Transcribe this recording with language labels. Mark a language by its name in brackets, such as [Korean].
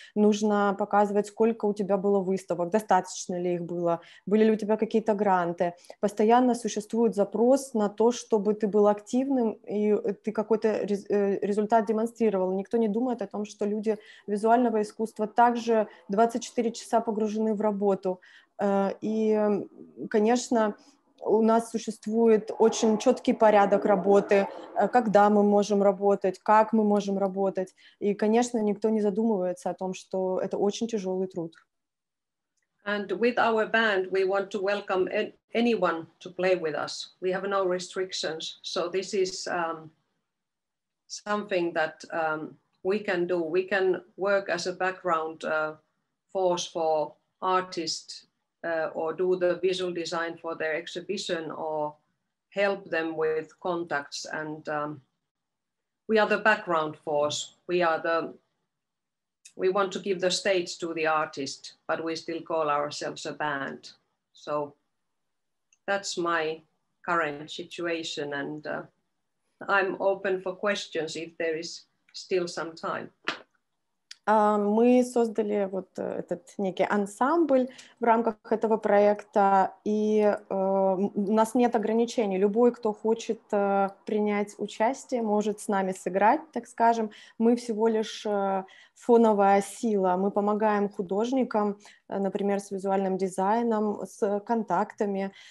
[Russian] нужно показывать, сколько у тебя было выставок, достаточно ли их было, были ли у тебя какие-то гранты, постоянно существует запрос на то, чтобы ты был активным и ты какой-то результат демонстрировал, никто не думает о том, что люди визуального искусства также 24 часа погружены в работу, и, конечно, у нас существует очень четкий порядок работы, когда мы можем работать, как мы можем работать. И, конечно, никто не задумывается о том, что это очень тяжелый труд. [English] And with our band, we want to welcome anyone to play with us. We have no restrictions. So this is something that we can do. We can work as a background force for artists, or do the visual design for their exhibition or help them with contacts. And we are the background force. We want to give the stage to the artist, but we still call ourselves a band. So that's my current situation. And I'm open for questions if there is still some time. [Russian] Мы создали вот этот некий ансамбль в рамках этого проекта, и у нас нет ограничений. Любой, кто хочет принять участие, может с нами сыграть, так скажем. Мы всего лишь фоновая сила. Мы помогаем художникам, например, с визуальным дизайном, с контактами.